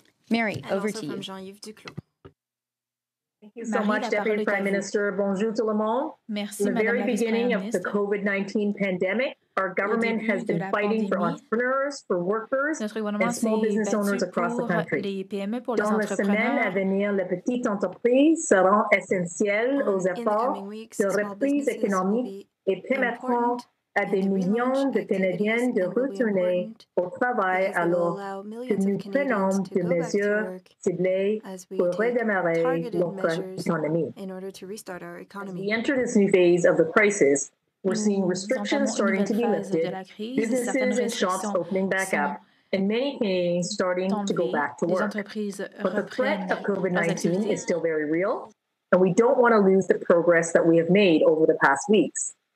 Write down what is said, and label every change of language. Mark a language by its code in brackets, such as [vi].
[en] Mary, over to you. Thank you so much, Deputy Prime Minister. [fr] Bonjour tout le monde. Merci, [en] in the very [fr] Madame [en] beginning of the COVID-19 pandemic, our government has been fighting for entrepreneurs, for workers, and small business owners across the country. [fr] Dans la semaine à venir, les petites entreprises seront essentielles aux efforts de reprise économique et permettront à des millions de Canadiens de retourner au travail alors que nous prenons des mesures ciblées pour redémarrer notre économie. [en] As we enter this new phase of the crisis, we're seeing restrictions starting to be lifted, businesses and shops opening back up, and many things starting to go back to work. But the threat of COVID-19 is still very real, and we don't want to lose the progress that we have made over the past weeks.